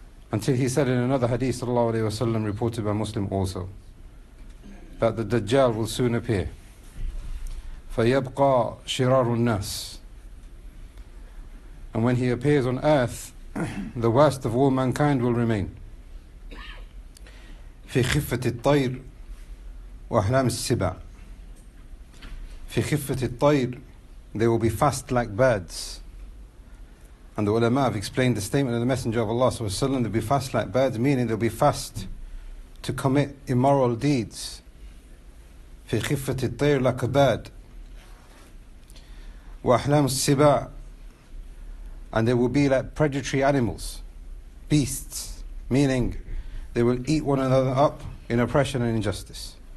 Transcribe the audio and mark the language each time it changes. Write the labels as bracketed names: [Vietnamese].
[English] Until he said in another hadith sallallahu alayhi wa sallam, reported by Muslim also, that the Dajjal will soon appear. [Arabic] فَيَبْقَى شِرَارُ النَّاسِ, [English] and when he appears on earth, the worst of all mankind will remain. [Arabic] فِي خِفَّةِ الطَّيْرِ وَأَحْلَامِ السِّبَعِ, فِي خِفَّةِ الطَّيْرِ, [English] they will be fast like birds. And the ulama have explained the statement of the Messenger of Allah sallallahu alayhi wa sallam, they'll be fast like birds, meaning they'll be fast to commit immoral deeds. [Arabic] فِي خِفَّةِ الطَّيْرِ, [English] like a bird. [Arabic] وَأَحْلَامِ السِّبَعِ, [English] and they will be like predatory animals, beasts, meaning they will eat one another up in oppression and injustice.